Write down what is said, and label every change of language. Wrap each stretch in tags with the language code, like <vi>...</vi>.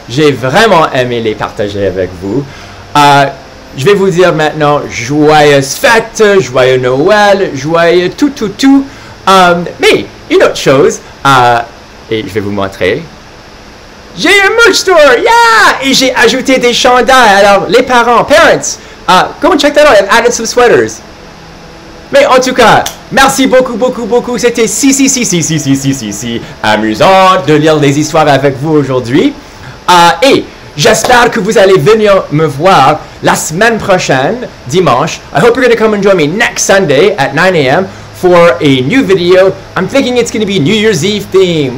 <fr>J'ai vraiment aimé les partager avec vous. Je vais vous dire maintenant joyeuse fête, joyeux Noël, joyeux tout, tout, tout. Mais une autre chose, et je vais vous montrer. J'ai un merch store, yeah! Et j'ai ajouté des chandails. Alors, les parents, parents,</fr> <en>go and check that out. I've added some sweaters.</en> <fr>Mais en tout cas, merci beaucoup, beaucoup, beaucoup. C'était si amusant de lire des histoires avec vous aujourd'hui. Et j'espère que vous allez venir me voir la semaine prochaine, dimanche.</fr> <en>I hope you're going to come and join me next Sunday at 9 a.m. for a new video. I'm thinking it's going to be New Year's Eve theme.</en>